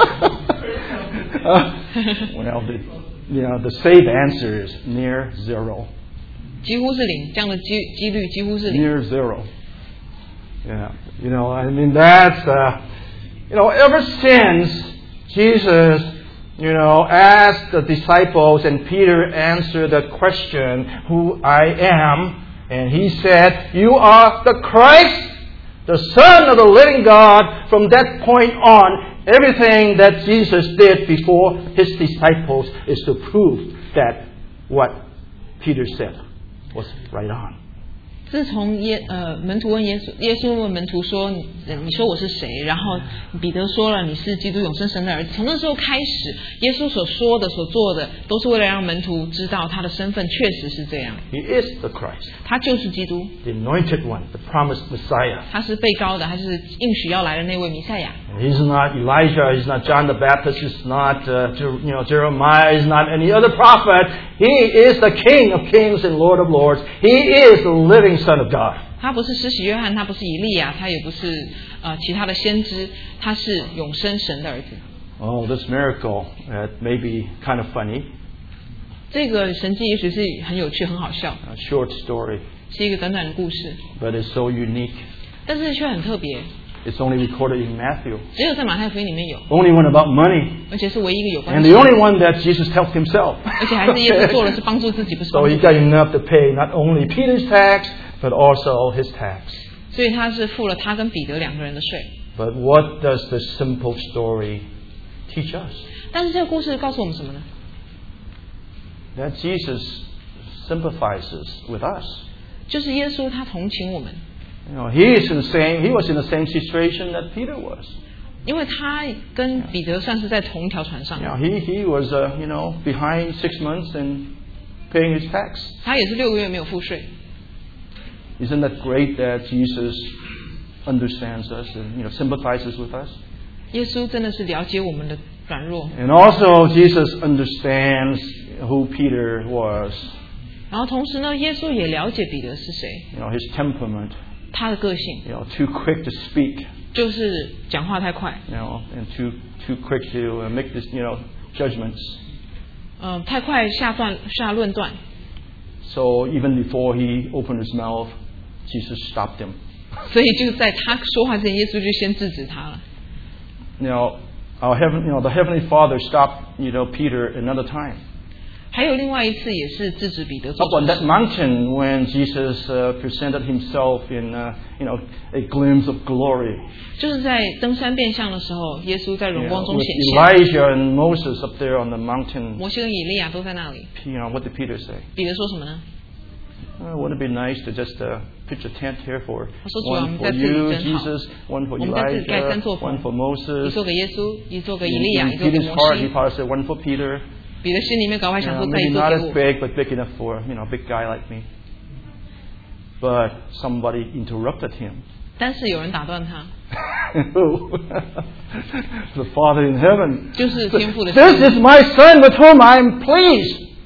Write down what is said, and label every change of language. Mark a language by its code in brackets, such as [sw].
[en] well, the, you know, the safe answer is near zero. [zh] 几乎是零，这样的几率几乎是零。 [en] Near zero. Yeah, you know, I mean that's, you know, ever since Jesus, you know, asked the disciples and Peter answered the question, "Who I am," and he said, "You are the Christ." The Son of the Living God, from that point on, everything that Jesus did before his disciples is to prove that what Peter said was right on. [zh] 自从门徒问耶稣问门徒说，你说我是谁？然后彼得说了，你是基督永生神的儿子。从那时候开始，耶稣所说的、所做的，都是为了让门徒知道他的身份确实是这样。 [en] He is the Christ. [zh] 他就是基督。 [en] The anointed one, the promised Messiah. [zh] 他是被高的，他是应许要来的那位弥赛亚。 [en] He's not Elijah. He's not John the Baptist. He's not Jeremiah. He's not any other prophet. He is the King of Kings and Lord of Lords. He is the living Son of God. [zh] 他不是施洗约翰，他不是以利亚，他也不是其他的先知，他是永生神的儿子。 [en] Oh, this miracle, it may be kind of funny. [zh] 这个神迹也许是很有趣、很好笑。 [en] A short story. [zh] 是一个短短的故事。 [en] But it's so unique. [zh] 但是却很特别。 [en] It's only recorded in Matthew. [zh] 只有在马太福音里面有。 [en] Only one about money. [zh] 而且是唯一一个有关系。 [en] And the only one that Jesus helped himself. [zh] 而且还是耶稣做了，是帮助自己，不是帮助。 [en] So he got enough to pay not only Peter's tax, but also his tax. [zh] 所以他是付了他跟彼得两个人的税。 [en] But what does this simple story teach us? [zh] 但是这个故事告诉我们什么呢？ [en] That Jesus sympathizes with us. [zh] 就是耶稣他同情我们。 [en] You know, he was in the same situation that Peter was. [zh] 因为他跟彼得算是在同一条船上。 [en] Yeah, he was behind 6 months and paying his tax. [zh] 他也是六个月没有付税。 [en] Isn't that great that Jesus understands us and sympathizes with us? [zh] 耶稣真的是了解我们的软弱。 [en] And also Jesus understands who Peter was. [zh] 然后同时呢，耶稣也了解彼得是谁。 [en] His temperament. [zh] 他的个性。 [en] Too quick to speak. [zh] 就是讲话太快。 [en] And too quick to make this judgments. [zh] 太快下论断。 [en] So even before he opened his mouth, Jesus stopped him. [zh] 所以就在他说话之前，耶稣就先制止他了。 [en] Now, the Heavenly Father stopped Peter another time. [zh] 还有另外一次也是制止彼得。 [en] Up on that mountain when Jesus presented himself in a glimpse of glory. [zh] 就是在登山变相的时候，耶稣在荣光中显现。 [en] With Elijah and Moses up there on the mountain. [zh] 摩西跟以利亚都在那里。 [en] What did Peter say? [zh] 彼得说什么呢？ [en] Wouldn't it be nice to just pitch a tent here for [zh] 他说主啊， [en] one for you, Jesus, one for Elijah, one for Moses. [zh] 一座给耶稣，一座给以利亚，一座给摩西。 [en] In Peter's heart, he probably said one for Peter. [zh] 彼得心里面搞坏，想说再一座给我。 [en] Maybe not as big, but big enough for a big guy like me. But somebody interrupted him. [zh] 但是有人打断他。 [en] The Father in heaven. [zh] 就是天父的。 [en] This is my son with whom I am pleased.